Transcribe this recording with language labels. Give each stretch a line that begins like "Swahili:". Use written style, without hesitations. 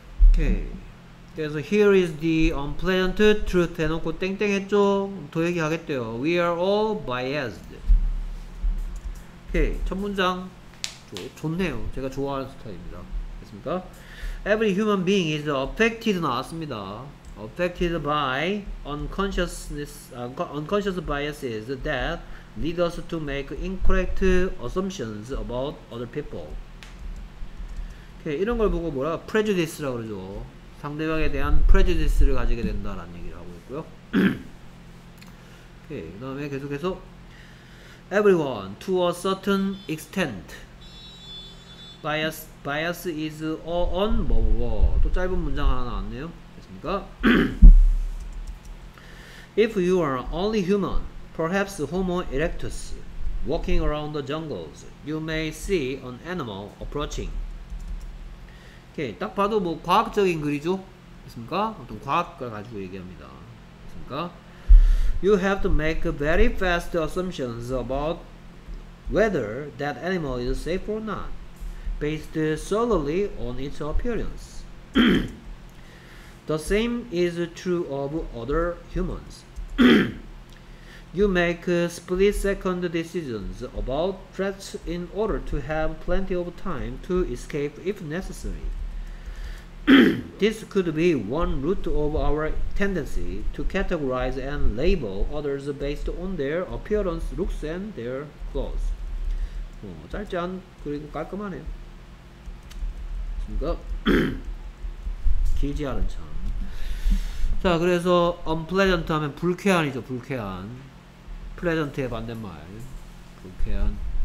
Korean: 오케이. 그래서
English: here is the unpleasant truth
Korean: 해놓고 땡땡 했죠. 더 얘기하겠대요.
English: We are all biased. 오케이.
Korean: 첫 문장 좋네요. 제가 좋아하는 스타일입니다. 됐습니까?
English: Every human being is affected
Korean: 나왔습니다.
English: Affected by unconscious biases that lead us to make incorrect assumptions about other people.
Korean: 이런 걸 보고 뭐라 prejudice라고 그러죠. 상대방에 대한 prejudice를 가지게 된다라는 얘기를 하고 있고요. 그 다음에 계속해서
English: everyone to a certain extent bias is a on 뭐뭐뭐.
Korean: 또 짧은 문장 하나 나왔네요. 됐습니까?
English: If you are only human, perhaps homo erectus walking around the jungles, you may see an animal approaching.
Korean: 오케이. 딱 봐도 뭐 과학적인 글이죠. 됐습니까? 어떤 과학을 가지고 얘기합니다. 됐습니까?
English: You have to make very fast assumptions about whether that animal is safe or not based solely on its appearance. The same is true of other humans. You make split second decisions about threats in order to have plenty of time to escape if necessary. This could be one root of our tendency to categorize and label others based on their appearance, looks, and their clothes.
Korean: 짧지 않, 그리고 깔끔하네요. 됐습니까? 길지 않은 참. 자, 그래서 unpleasant 하면 불쾌한이죠, 불쾌한. pleasant의 반대말. 불쾌한.